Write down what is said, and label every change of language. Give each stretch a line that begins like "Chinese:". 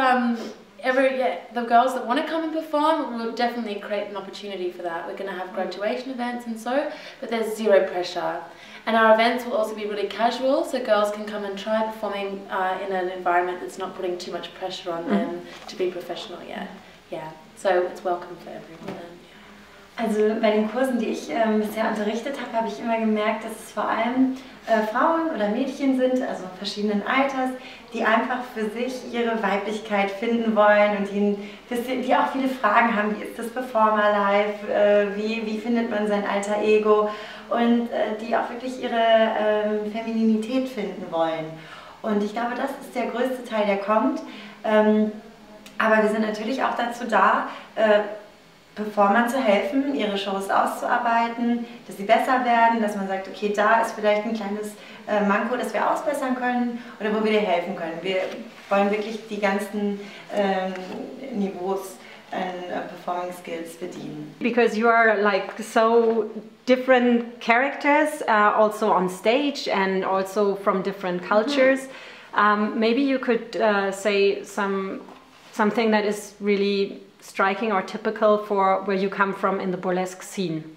English: the girls that want to come and perform will definitely create an opportunity for that. We're going to have graduation events and so, but there's zero pressure. And our events will also be really casual, so girls can come and try performing in an environment that's not putting too much pressure on them to be professional yet. Yeah, so it's welcome for everyone.
German: Also bei den Kursen, die ich bisher unterrichtet habe, habe ich immer gemerkt, dass es vor allem Frauen oder Mädchen sind, also verschiedenen Alters, die einfach für sich ihre Weiblichkeit finden wollen und die auch viele Fragen haben, wie ist das Performer Life, wie findet man sein alter Ego und die auch wirklich ihre Femininität finden wollen. Und ich glaube, das ist der größte Teil, der kommt. Aber wir sind natürlich auch dazu da, Performern zu helfen, ihre Shows auszuarbeiten, dass sie besser werden, dass man sagt, okay, da ist vielleicht ein kleines Manko, das wir ausbessern können oder wo wir dir helfen können. Wir wollen wirklich die ganzen Niveaus an Performing Skills bedienen.
English: Because you are like so different characters, also on stage and also from different cultures, maybe you could say something that is really striking or typical for where you come from in the burlesque scene?